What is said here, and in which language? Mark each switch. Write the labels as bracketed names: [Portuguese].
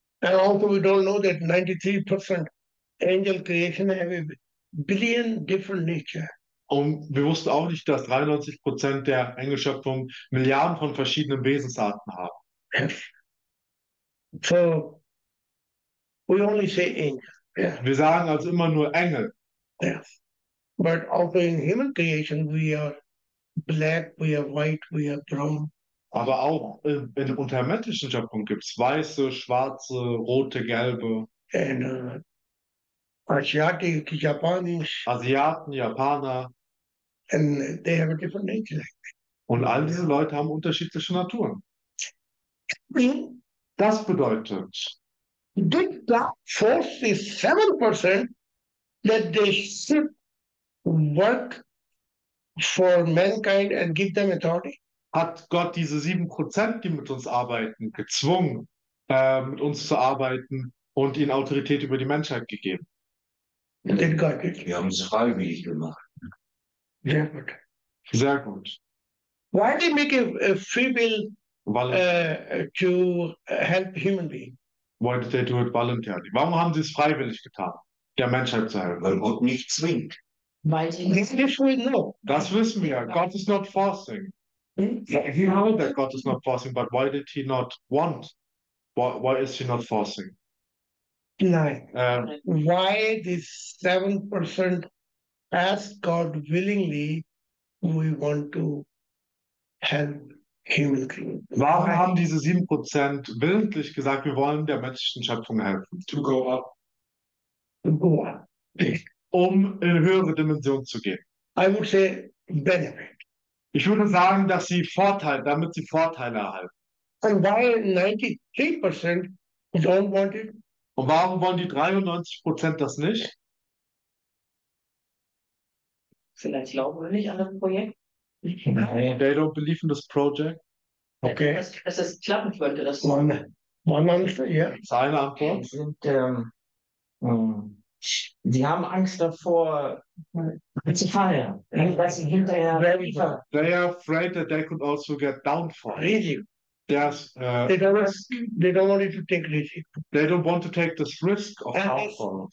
[English] And also we don't know that 93% angel creation have a billion different nature. [German] Und wir wussten auch nicht, dass 93% der Engelschöpfung Milliarden von verschiedenen Wesensarten haben. [English] So, we only say angel. Yeah. [German] Wir sagen also immer nur Engel. [English] Yes. But also in human creation we are black, we are white, we are brown. [German] Aber auch in der untermenschlichen Schöpfung gibt es weiße, schwarze, rote, gelbe. [English] And, Asiatic, Japanisch. [German] Asiaten, Japaner. [English] And they have a different nature. [German] Und all diese Leute haben unterschiedliche Naturen. Das bedeutet, [English] did God force the 7% that they should work for mankind and give them authority? [German] Hat Gott diese 7%, die mit uns arbeiten, gezwungen, mit uns zu arbeiten und ihnen Autorität über die Menschheit gegeben? [English] Did God did. [German] Wir haben es freiwillig gemacht. Sehr gut. Sehr gut. [English] Why did he make a free will? To help human being. Why did they do it voluntarily? [German] Warum haben sie es freiwillig getan, der Menschheit zu helfen? Weil Gott nicht zwingt. Das wissen wir. [English] God is not forcing. We know that God is not forcing, but why did he not want? Why is he not forcing? [German] Nein. [English] Why this 7% asked God willingly, we want to help. [German] Warum haben diese 7% willentlich gesagt, wir wollen der menschlichen Schöpfung helfen? [English] To go up. [German] Um in höhere Dimensionen zu gehen. [English] I would say benefit. [German] Ich würde sagen, dass sie Vorteile, damit sie Vorteile erhalten. [English] And why 93% don't want it? [German] Und warum wollen die 93% das nicht? Vielleicht glauben wir nicht an das Projekt. [English] Nein. They don't believe in this project. Okay. [German] Dass es klappen könnte, das man Angst, ja. Seine Antwort. Sie sind, sie haben Angst davor, zu fallen, weil sie hinterher. [English] They are afraid that they could also get downfall. Risk. There's. They don't want to take risk. They don't want to take this risk of downfall.